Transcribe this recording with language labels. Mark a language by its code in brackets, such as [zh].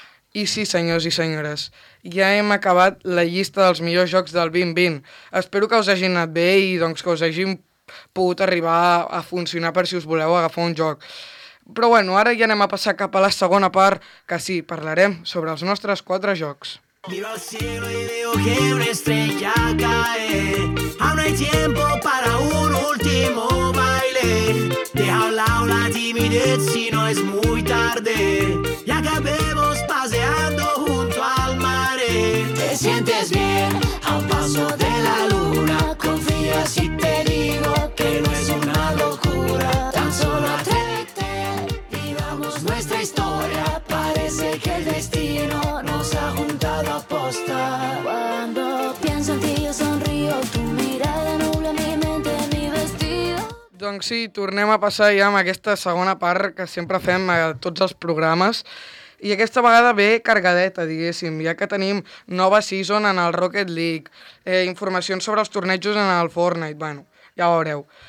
[ca] I sí, senyors i senyores, ja hem acabat la llista dels millors jocs del 2020. Espero que us hagi anat bé i doncs, que us hagin pogut arribar a funcionar per si us voleu agafar un joc. Però bueno, ara ja anem a passar cap a la segona part, que sí, parlarem sobre els nostres 4 jocs. [es] Miro al cielo y veo que una estrella cae. Aún no hay tiempo para un último baile. Deja a un lado la timidez si no es muy tarde. Y acabemos paseando junto al mare. Te sientes bien a un paso de la luna. Confía si te digo que no es una locura. Tan solo atrévete, vivamos nuestra historia. Parece que el destino nos ha juntado a posta. Cuando pienso en ti yo sonrío. Tu mirada nubla mi mente, mi vestido. [ca] Doncs sí, tornem a passar ja amb aquesta segona part que sempre fem a tots els programes. I aquesta vegada ve cargadeta, diguéssim, ja que tenim nova season en el Rocket League, informacions sobre els tornejos en el Fortnite, bueno, ja ho veureu.